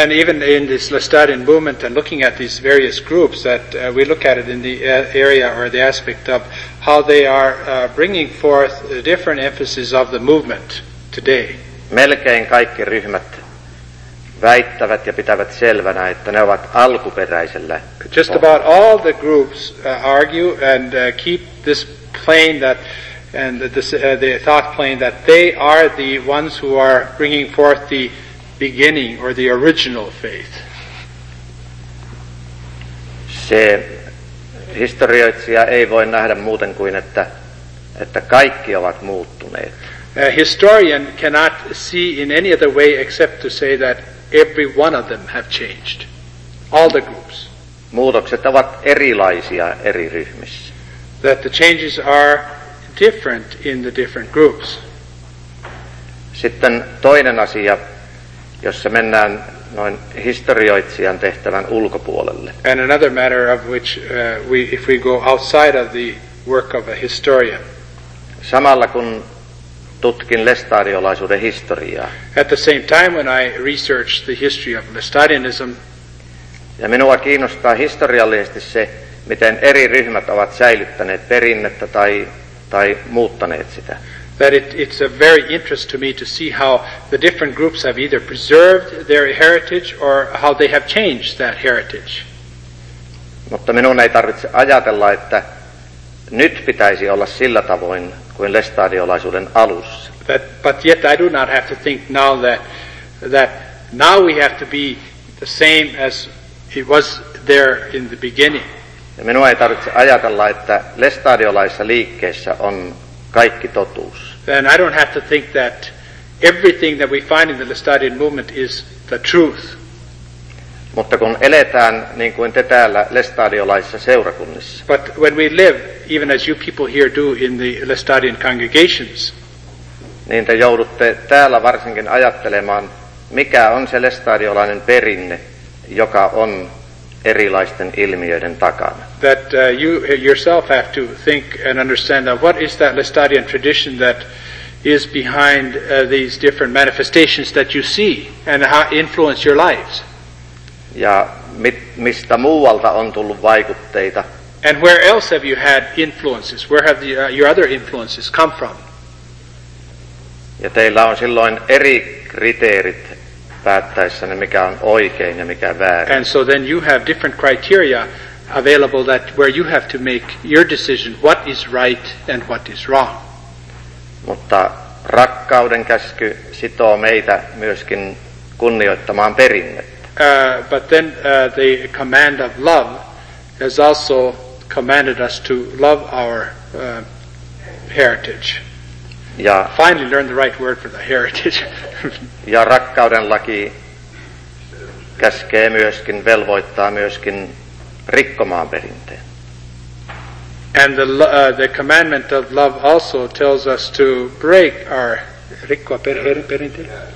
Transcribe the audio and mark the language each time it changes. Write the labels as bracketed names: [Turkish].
[English] And even in this Lestadian movement and looking at these various groups, that we look at it in the area or the aspect of how they are bringing forth the different emphases of the movement today. [Finnish] Melkein kaikki ryhmät väittävät ja pitävät selvänä, että ne ovat alkuperäisellä. [English] Just about all the groups argue and keep this plane that and this the thought plane that they are the ones who are bringing forth the beginning or the original faith. [Finnish] Se historioitsija ei voi nähdä muuten kuin että kaikki ovat muuttuneet. [English] A historian cannot see in any other way except to say that every one of them have changed. All the groups. [Finnish] Muutokset ovat erilaisia eri ryhmissä. [English] That the changes are different in the different groups. [Finnish] Sitten toinen asia, jossa mennään noin historioitsijan tehtävän ulkopuolelle. [English] And another matter of which we if we go outside of the work of a historian. [Finnish] Samalla kun tutkin lestadiolaisuuden historiaa. [English] At the same time when I researched the history of Lestadianism, [Finnish] ja minua kiinnostaa historiallisesti se, miten eri ryhmät ovat säilyttäneet perinnettä tai muuttaneet sitä. [English] That it's a very interest to me to see how the different groups have either preserved their heritage or how they have changed that heritage. [Finnish] Mutta minun ei tarvitse ajatella, että nyt pitäisi olla sillä tavoin kuin lestadiolaisuuden alussa. [English] But yet I do not have to think now that now we have to be the same as it was there in the beginning. [Finnish] Ja minun ei tarvitse ajatella, että lestadiolaisessa liikkeessä on kaikki totuus. [English] Then I don't have to think that everything that we find in the Lestadian movement is the truth. [Finnish] Mutta kun eletään niin kuin te täällä lestadiolaisissa seurakunnissa. [English] But when we live, even as you people here do in the Lestadian congregations, [Finnish] niin te joudutte täällä varsinkin ajattelemaan, mikä on se lestadiolainen perinne, joka on erilaisten ilmiöiden takana. [English] That you yourself have to think and understand that what is that Lestadian tradition that is behind these different manifestations that you see and how influence your lives. [Finnish] Ja mistä muualta on tullut vaikutteita? [English] And where else have you had influences? Where have your other influences come from? [Finnish] Ja teillä on silloin eri kriteerit päättäessänne, mikä on oikein ja mikä väärin. [English] And so then you have different criteria available that where you have to make your decision what is right and what is wrong. [Finnish] Mutta rakkauden käsky sitoo meitä myöskin kunnioittamaan perinnettä. [English] But then the command of love has also commanded us to love our heritage. [Finnish] Ja [English] finally learned the right word for the heritage. [Finnish] Ja rakkauden laki käskee myöskin, velvoittaa myöskin rikkomaan perinteen. [English] And the commandment of love also tells us to break our perinteen.